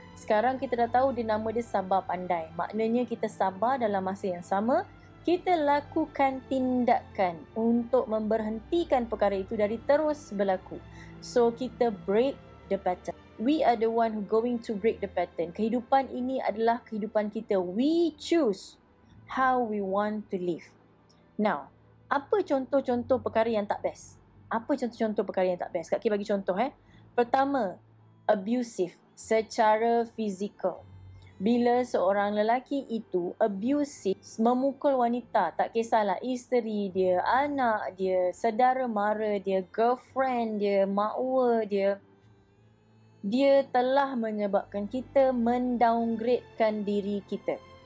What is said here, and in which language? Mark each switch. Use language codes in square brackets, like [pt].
[ms] Sekarang kita dah tahu dia nama dia sabar pandai. Maknanya kita sabar dalam masa yang sama. Kita lakukan tindakan untuk memberhentikan perkara itu dari terus berlaku. [en] So kita break the pattern. We are the one who going to break the pattern. [ms] Kehidupan ini adalah kehidupan kita. [en] We choose how we want to live. [ms] Now, apa contoh-contoh perkara yang tak best? Apa contoh-contoh perkara yang tak best? Kak K bagi contoh eh. Pertama, abusive. Secara fizikal, bila seorang lelaki itu abusive, memukul wanita, tak kisahlah isteri dia, anak dia, saudara mara dia, girlfriend dia, makwa dia, dia telah menyebabkan kita mendowngradekan diri kita.